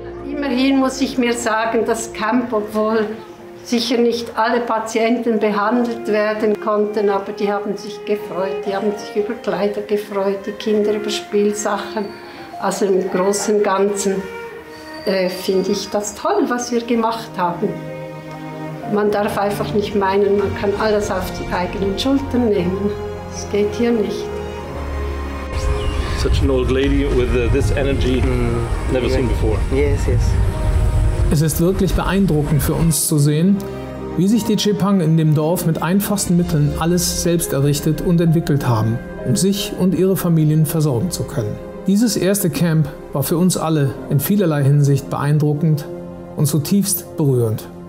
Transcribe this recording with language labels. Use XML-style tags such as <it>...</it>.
<de>Immerhin muss ich mir sagen, das Camp, obwohl sicher nicht alle Patienten behandelt werden konnten, aber die haben sich gefreut, die haben sich über Kleider gefreut, die Kinder über Spielsachen. Also im Großen und Ganzen finde ich das toll, was wir gemacht haben. Man darf einfach nicht meinen, man kann alles auf die eigenen Schultern nehmen. Das geht hier nicht.</de> <en>Such an old lady with this energy, never seen before. Yes, yes.</en> <de>Es ist wirklich beeindruckend für uns zu sehen, wie sich die Chepang in dem Dorf mit einfachsten Mitteln alles selbst errichtet und entwickelt haben, um sich und ihre Familien versorgen zu können. Dieses erste Camp war für uns alle in vielerlei Hinsicht beeindruckend und zutiefst berührend.</de>